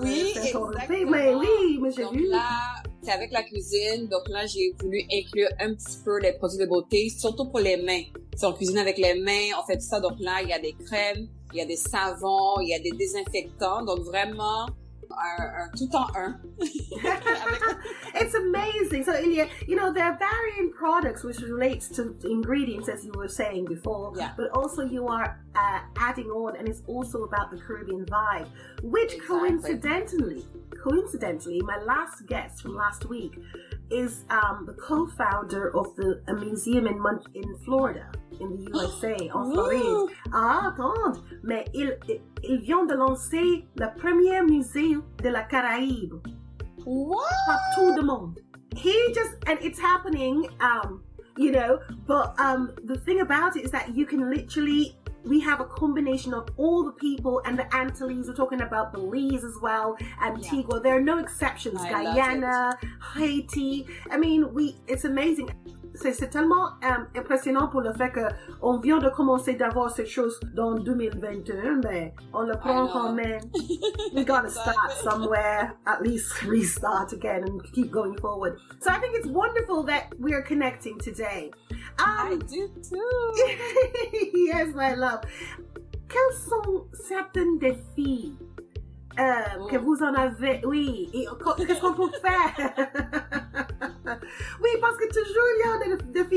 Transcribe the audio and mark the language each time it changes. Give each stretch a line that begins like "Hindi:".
French: Oui, exactement. C'est avec la cuisine, donc là, j'ai voulu inclure un petit peu les produits de beauté, surtout pour les mains. Si on cuisine avec les mains, on fait tout ça, donc là, il y a des crèmes, il y a des savons, il y a des désinfectants, donc vraiment, un tout en un.
English: It's amazing. So, Ilya, you know, there are varying products which relates to ingredients, as you were saying before, yeah. But also you are adding on, and it's also about the Caribbean vibe, which exactly. Coincidentally, my last guest from last week is the co-founder of a museum in Florida, in the USA, en Floride.
French: Ah, attends, mais il vient de lancer le premier musée de la Caraïbe.
English: What?
French: Partout du monde.
English: He just, and it's happening, you know, but the thing about it is that you can literally... We have a combination of all the people and the Antilles. We're talking about Belize as well, Antigua. Yeah. There are no exceptions. Guyana, Haiti. I mean, it's amazing.
French: C'est tellement impressionnant pour le fait qu'on vient de commencer d'avoir ces choses dans 2021, mais on le prend quand même.
English: We gotta start somewhere, at least restart again and keep going forward. So I think it's wonderful that we are connecting today. I do too. Yes, my love.
French: Quels sont certains défis que vous en avez? Oui, et qu'est-ce qu'on peut faire? Oui, parce que toujours il y a des défis.